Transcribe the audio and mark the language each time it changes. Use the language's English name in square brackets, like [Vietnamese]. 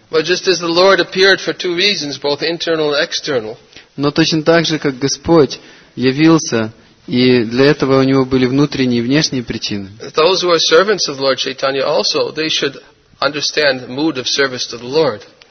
[English] But just as the Lord appeared for two reasons, both internal and external. [Russian] Но точно так же, как Господь явился, и для этого у него были внутренние и внешние причины. [English] Those who are servants of Lord Chaitanya also, they should understand the mood of service to the Lord.